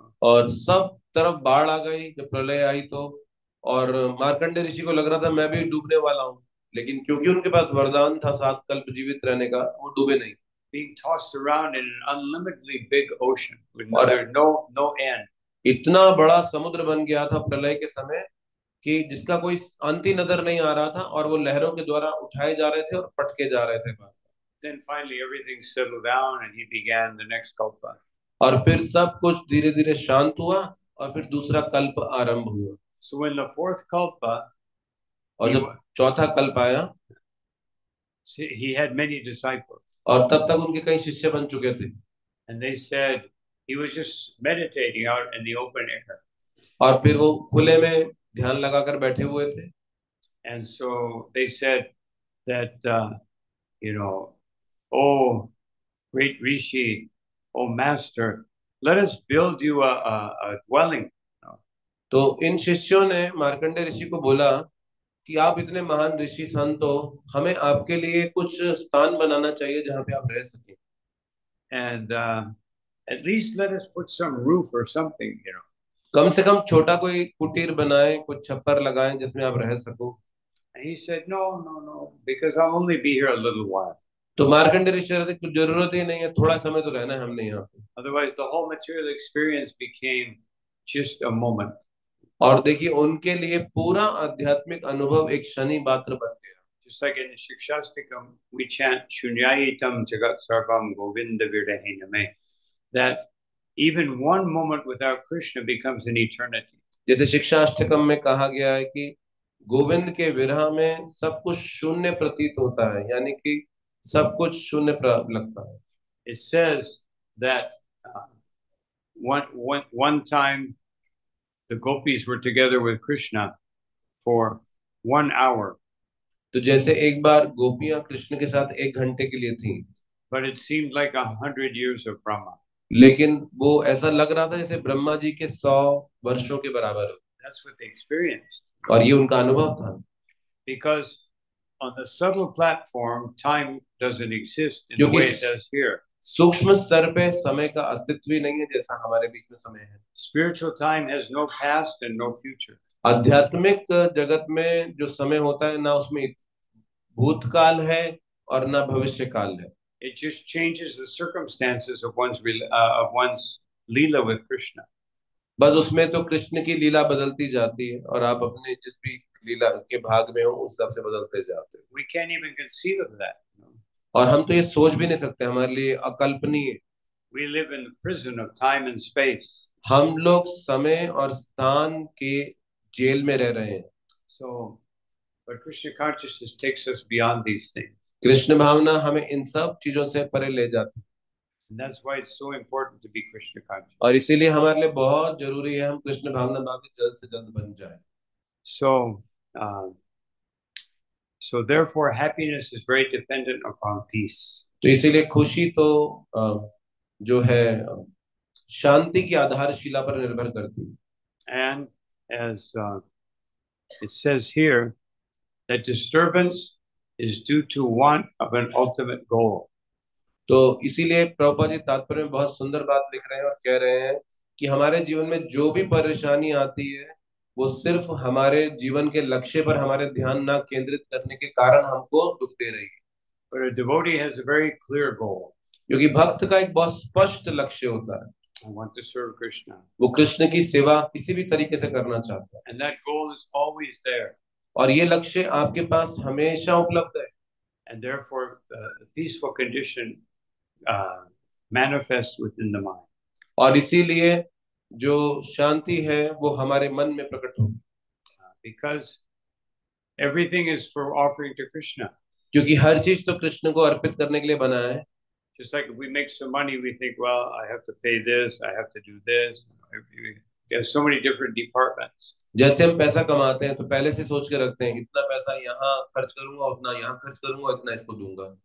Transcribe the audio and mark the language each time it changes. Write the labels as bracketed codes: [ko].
[hi] और सब तरफ बाढ़ आ गई जब प्रलय आई तो, और मार्कंडेय ऋषि को लग रहा था मैं भी डूबने वाला हूँ, लेकिन क्योंकि उनके पास वरदान था 7 कल्प जीवित रहने का, वो डूबे नहीं. [en] Being tossed around in an unlimitedly big ocean with no end. [hi] इतना बड़ा समुद्र बन गया था प्रलय के समय कि जिसका कोई अंत ही नजर नहीं आ रहा था, और वो लहरों के द्वारा उठाए जा रहे थे और पटके जा रहे थे. [en] Then finally everything settled down and he began the next kalpa. [hi] और फिर सब कुछ धीरे धीरे शांत हुआ और फिर दूसरा कल्प आरंभ हुआ. [en] So when the fourth kalpa, [hi] और जब चौथा कल्प आया, [en] he had many disciples. [hi] और तब तक उनके कई शिष्य बन चुके थे. [en] And they said he was just meditating out in the open air. [hi] और फिर वो खुले में ध्यान लगाकर बैठे हुए थे. [en] And so they said that, oh great Rishi, oh master, let us build you a dwelling. [hi] तो इन शिष्यों ने मार्कंडेय ऋषि को बोला कि आप इतने महान ऋषि संत हो, हमें आपके लिए कुछ स्थान बनाना चाहिए जहां पे आप रह सके. [en] And at least let us put some roof or something, [hi] कम से कम छोटा कोई कुटीर बनाएं, कुछ छप्पर लगाएं जिसमें आप रह सको. [en] And he said, no, because I'll only be here a little while. [hi] तो मार्कंडेय ऋषि कहते कुछ जरूरत ही नहीं है, थोड़ा समय तो रहना है हमने यहाँ पे. [en] Otherwise, the whole material experience became just a moment. [hi] और देखिए उनके लिए पूरा आध्यात्मिक अनुभव एक क्षण मात्र बन गया. [en] Just like in Shikshastikam, we chant [sa] Shunyayitam Jagat Sarvam Govinda Virahiname, [en] that even one moment without Krishna becomes an eternity. [hi] जैसे शिक्षाष्टकम में कहा गया है कि गोविंद के विरह में सब कुछ शून्य प्रतीत होता है, यानी कि सब कुछ शून्य लगता है. [en] It says that one time the gopis were together with Krishna for 1 hour. [hi] तो जैसे एक बार गोपियां कृष्ण के साथ 1 घंटे के लिए थीं. [en] But it seemed like 100 years of Brahma. [hi] लेकिन वो ऐसा लग रहा था जैसे ब्रह्मा जी के 100 वर्षों के बराबर हो. [en] That's what they experienced. [hi] और ये उनका अनुभव था. [en] Because on the subtle platform, time doesn't exist in the way it does here. [hi] सूक्ष्म स्तर पे समय का अस्तित्व ही नहीं है जैसा हमारे बीच में समय है. [en] Spiritual time has no past and no future. [hi] आध्यात्मिक जगत में जो समय होता है ना उसमें भूतकाल है और ना भविष्यकाल है. [en] It just changes the circumstances of one's leela with Krishna. [hi] बस उसमें तो कृष्ण की लीला बदलती जाती है और आप अपने जिस भी लीला के भाग में हो उस हिसाब से बदलते जाते हैं. [en] We can even conceive of that. [hi] और हम तो ये सोच भी नहीं सकते, हमारे लिए अकल्पनीय. [en] We live in the prison of time and space. [hi] हम लोग समय और स्थान के जेल में रह रहे हैं. [en] So but Krishna consciousness takes us beyond these things. [hi] Krishna भावना हमें इन सब चीजों से परे ले जाती. [en] And that's why it's so important to be Krishna conscious. [hi] और इसीलिए हमारे लिए बहुत जरूरी है हम कृष्ण भावना में जल्द से जल्द बन जाएं. [en] So therefore happiness is very dependent upon peace. [hi] तो इसीलिए खुशी तो जो है शांति की आधारशिला पर निर्भर करती है. [en] And as it says here that disturbance is due to want of an ultimate goal. [hi] तो इसीलिए प्रभुपाद जी तात्पर्य में बहुत सुंदर बात लिख रहे हैं और कह रहे हैं कि हमारे जीवन में जो भी परेशानी आती है वो सिर्फ हमारे जीवन के लक्ष्य पर हमारे ध्यान ना केंद्रित करने के कारण हमको दुख दे रही है. [en] But a devotee has a very clear goal. [hi] क्योंकि भक्त का एक बहुत स्पष्ट लक्ष्य होता है. [en] I want to serve Krishna. [hi] वो कृष्ण की सेवा किसी भी तरीके से करना चाहता है. [en] And that goal is always there. [hi] और ये लक्ष्य आपके पास हमेशा उपलब्ध है. [en] And therefore, the peaceful condition manifests within the mind. [hi] और इसीलिए जो शांति है वो हमारे मन में प्रकट होगी. [en] Because everything is for offering to Krishna. [hi] क्योंकि हर चीज तो कृष्ण को अर्पित करने के लिए बना है. [en] Just like we make some money, we think, well, I have to pay this, I have to do this. There's so many different departments. [hi] जैसे हम पैसा कमाते हैं तो पहले से सोच के रखते हैं इतना पैसा यहाँ खर्च करूंगा, उतना यहाँ खर्च करूंगा, इतना इसको दूंगा.